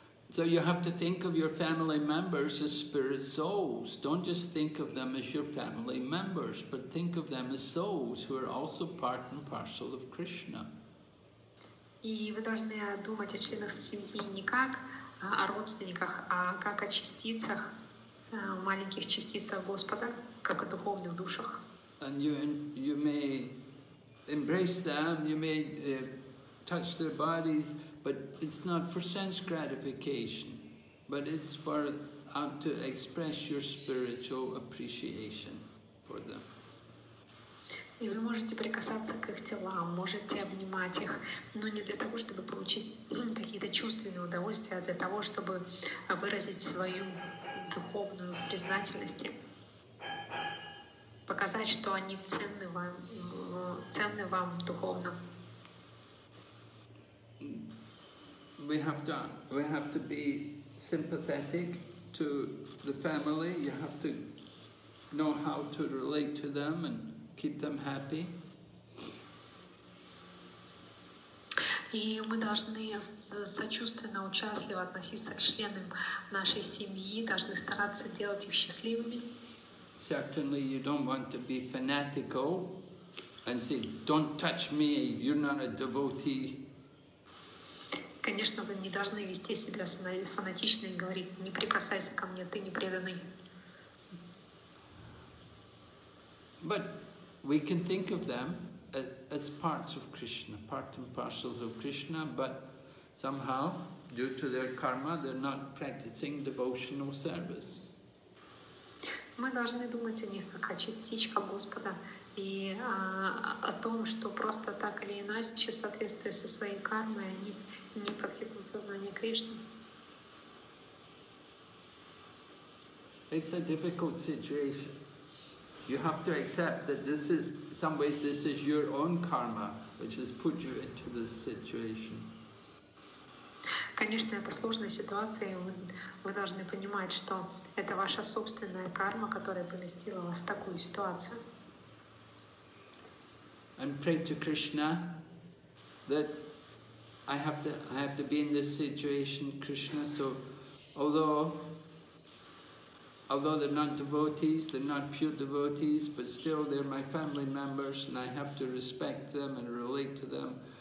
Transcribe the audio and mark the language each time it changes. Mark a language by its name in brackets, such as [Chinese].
[English] So you have to think of your family members as spirit souls. Don't just think of them as your family members, but think of them as souls who are also part and parcel of Krishna. [Russian] И вы должны думать о членах семьи не как о родственниках, а как о частицах, маленьких частицах Господа, как о духовных душах. [English] And you may embrace them, you may touch their bodies, but it's not for sense gratification, but it's for to express your spiritual appreciation for them. [Russian] И вы можете прикасаться к их телам, можете обнимать их, но не для того, чтобы получить какие-то чувственные удовольствия, а для того, чтобы выразить свою духовную признательность, показать, что они ценны вам духовно. [English] We have to be sympathetic to the family, you have to know how to relate to them and keep them happy. [Russian] И мы должны сочувственно, участливо относиться к членам нашей семьи, должны стараться делать их счастливыми. [English] Certainly you don't want to be fanatical and say, don't touch me, you're not a devotee. [Russian] Конечно, вы не должны вести себя фанатично и говорить, не прикасайся ко мне, ты не преданный. [English] But we can think of them as parts of Krishna, part and parcels of Krishna, but somehow, due to their karma, they're not practicing devotional service. [Russian] Мы должны думать о них как о частичке Господа и о том, что просто так или иначе, в соответствии со своей кармой, они не практикуют сознание Кришны. [English] It's a difficult situation. You have to accept that this is, in some ways, this is your own karma, which has put you into this situation. [Russian] Конечно, это сложная ситуация, и вы должны понимать, что это ваша собственная карма, которая поместила вас в такую ситуацию. [English] And pray to Krishna that I have to be in this situation, Krishna. So, although they're not devotees, they're not pure devotees, but still they're my family members, and I have to respect them and relate to them.